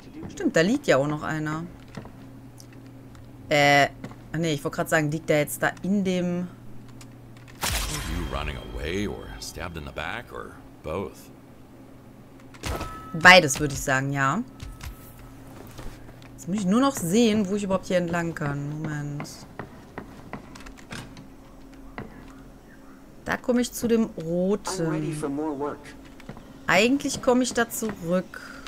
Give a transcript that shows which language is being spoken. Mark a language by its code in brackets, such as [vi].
[de] Stimmt, da liegt ja auch noch einer. Nee, ich wollte gerade sagen, liegt der jetzt da in dem... [en] Are you running away or stabbed in the back or both? [de] Beides würde ich sagen, ja. Jetzt muss ich nur noch sehen, wo ich überhaupt hier entlang kann. Moment. Da komme ich zu dem Roten. Eigentlich komme ich da zurück.